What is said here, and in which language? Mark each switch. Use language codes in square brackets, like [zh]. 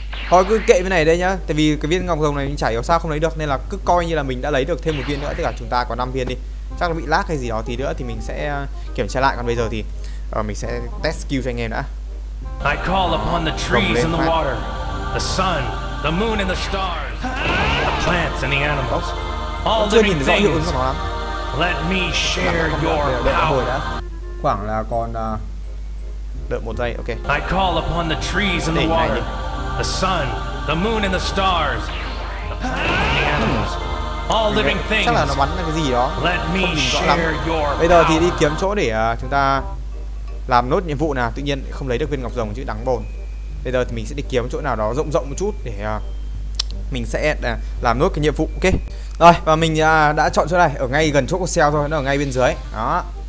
[vi] Thôi cứ kệ cái này đây nhá. Tại vì cái viên ngọc rồng này mình chả hiểu sao không lấy được. Nên là cứ coi như là mình đã lấy được thêm một viên nữa. Tức là chúng ta có 5 viên đi. Chắc là bị lag hay gì đó, tí nữa thì mình sẽ kiểm tra lại. Còn bây giờ thì mình sẽ test skill cho anh em đã. [en] I call upon the trees and the water, the sun, the moon and the stars, the plants and the animals, all the living things. Let me share your power. [vi] Khoảng là còn đợi một giây, ok. [en] I call upon the trees and the water, the sun, the moon and the stars, the plants and the animals. All living things. [vi] Chắc là nó bắn là cái gì đó. [en] Let me share [vi] lắm. [en] Your [vi] bây giờ thì đi kiếm chỗ để chúng ta làm nốt nhiệm vụ nào. Tự nhiên không lấy được viên ngọc rồng chứ đáng bồn. Bây giờ thì mình sẽ đi kiếm chỗ nào đó rộng rộng một chút để mình sẽ làm nốt cái nhiệm vụ. Ok. Rồi và mình đã chọn chỗ này ở ngay gần chỗ của Seo thôi, nó ở ngay bên dưới đó.